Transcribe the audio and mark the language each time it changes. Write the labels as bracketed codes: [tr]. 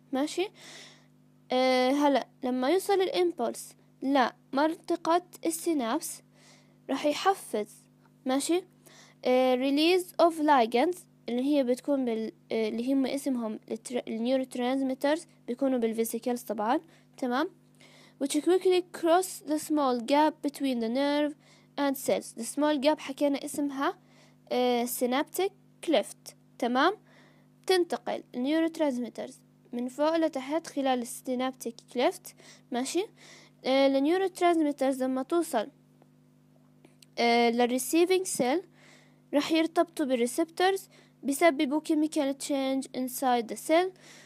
[ar] ماشي، هلا لما يوصل الامبولس لمنطقة السينابس راح يحفز، ماشي، [en] release of ligands [ar] اللي هي بتكون اللي هم اسمهم النيورو ترانسميترز، بيكونوا بالفيسيكلز طبعا. [en] تمام، which quickly cross the small gap between the nerve and cells. the small gap [ar] حكينا اسمها [en] synaptic cleft. [ar] تمام، تنتقل النيورو ترانسميترز من فوق لتحت خلال synaptic cleft. ماشي، النيورو ترانسميترز لما توصل للreceiving cell رح يرتبطوا بالreceptors، بيسببوا [en] chemical change inside the cell.